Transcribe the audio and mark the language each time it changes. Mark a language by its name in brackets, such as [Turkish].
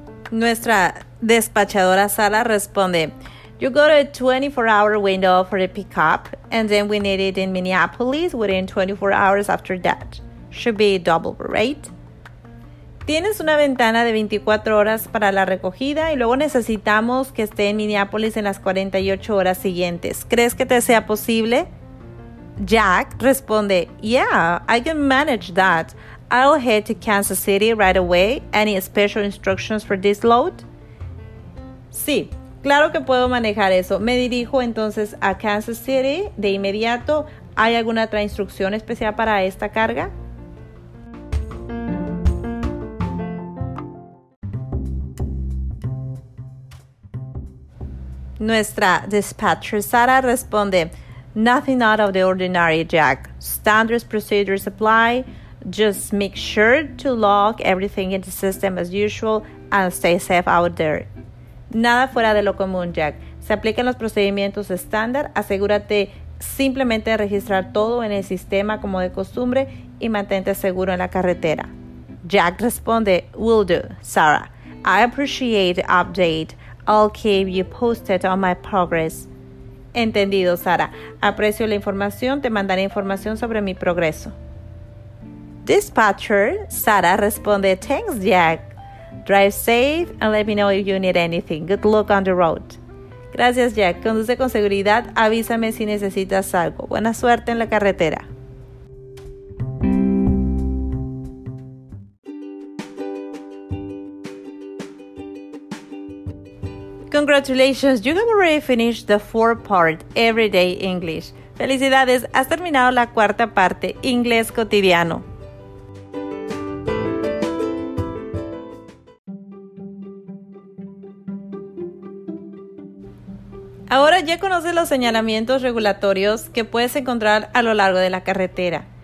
[Spanish] Nuestra despachadora Sara responde, [English] You got a 24-hour window for a pickup, and then we need it in Minneapolis within 24 hours after that. Should be double, right? [Spanish] Tienes una ventana de 24 horas para la recogida y luego necesitamos que esté en Minneapolis en las 48 horas siguientes. ¿Crees que te sea posible? Jack responde, [English] Yeah, I can manage that. I'll head to Kansas City right away. Any special instructions for this load? [Spanish] Sí, claro que puedo manejar eso. Me dirijo entonces a Kansas City de inmediato. ¿Hay alguna otra instrucción especial para esta carga? Nuestra dispatcher Sara responde, [English] Nothing out of the ordinary, Jack. Standard procedures apply. Just make sure to log everything in the system as usual and stay safe out there. [Spanish] Nada fuera de lo común, Jack. Se aplican los procedimientos estándar. Asegúrate simplemente de registrar todo en el sistema como de costumbre y mantente seguro en la carretera. Jack responde, [English] Will do, Sarah. I appreciate the update. I'll keep you posted on my progress. [Spanish] Entendido, Sarah. Aprecio la información. Te mandaré información sobre mi progreso. [English] Dispatcher, [Spanish] Sara responde, [English] Thanks, Jack. Drive safe and let me know if you need anything. Good luck on the road. [Spanish] Gracias, Jack. Conduce con seguridad. Avísame si necesitas algo. Buena suerte en la carretera. [English] Congratulations, you have already finished the fourth part, Everyday English. [Spanish] Felicidades, has terminado la cuarta parte, Inglés cotidiano. Ahora ya conoces los señalamientos regulatorios que puedes encontrar a lo largo de la carretera.